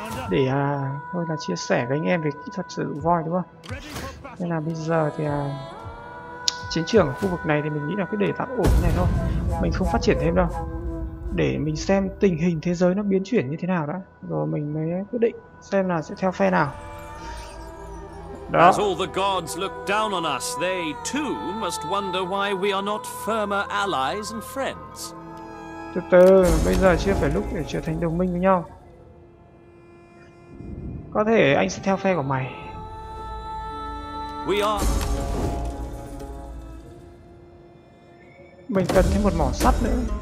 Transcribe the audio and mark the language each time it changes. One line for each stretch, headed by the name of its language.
Vietnamese: Để thôi là chia sẻ với anh em về kỹ thuật sử dụng voi đúng không? Nên là bây giờ thì chiến trường ở khu vực này thì mình nghĩ là cứ để tạm ổn này thôi. Mình không phát triển thêm đâu. Để mình xem tình hình thế giới nó biến chuyển như thế nào đã. Rồi mình mới quyết định xem là sẽ theo phe nào.
English: No. As all the gods look down on us, they too must wonder why we are not firmer allies and friends.
Vietnamese: Từ từ, bây giờ chưa phải lúc để trở thành đồng minh với nhau. Có thể anh sẽ theo phe của mày.
English: We are.
Vietnamese: Mình cần thêm một mỏ sắt nữa.